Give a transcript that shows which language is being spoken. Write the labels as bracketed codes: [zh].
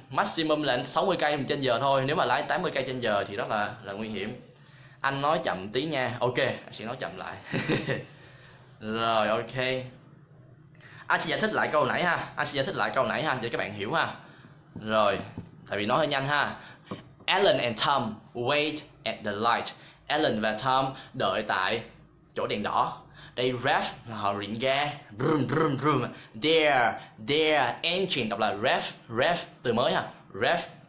[vi] Maximum là 60 cây trên giờ thôi. Nếu mà lái 80 cây trên giờ thì rất là nguy hiểm. Anh nói chậm tí nha. Ok, anh sẽ nói chậm lại. Rồi, ok. Anh sẽ giải thích lại câu nãy ha. Cho các bạn hiểu ha. Rồi, tại vì nói hơi nhanh ha. [en] Alan and Tom wait at the light. [vi] Alan và Tom đợi tại chỗ đèn đỏ. [en] They rev [vi] là họ rỉnh ga. Vroom vroom vroom. [en] Their engine, [vi] đọc là rev từ mới ha. Rev.